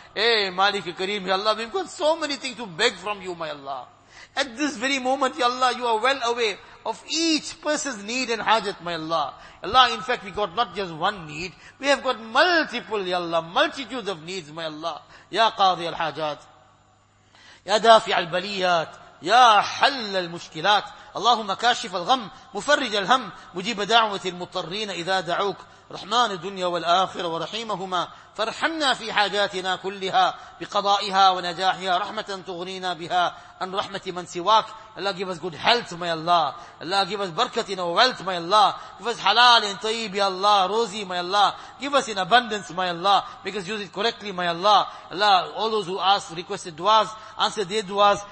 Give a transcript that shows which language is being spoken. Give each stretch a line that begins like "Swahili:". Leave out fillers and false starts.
English: Eh, Malik Kareem, ya Allah, we've got so many things to beg from you, my Allah. At this very moment, ya Allah, you are well aware of each person's need and hajat, my Allah. Allah, in fact, we got not just one need. We have got multiple, ya Allah, multitudes of needs, my Allah.
Arabic: Ya Qadhi al-Hajat. Ya Dafi al-Baliyat. يا حل المشكلات اللهم كاشف الغم مفرج الهم مجيب دعوة المضطرين إذا دعوك رحمن الدنيا والآخرة ورحيمهما فارحمنا في حاجاتنا كلها بقضائها ونجاحها رحمة تغنينا بها عن رحمة من سواك.
English: Allah, give us good health, my Allah. Allah, give us barakat in our wealth, my Allah. Give us halal and tayyib, ya Allah. Rozi, my Allah. Give us in abundance, my Allah. Make us use it correctly, my Allah. Allah, all those who ask, requested duas, answer their duas.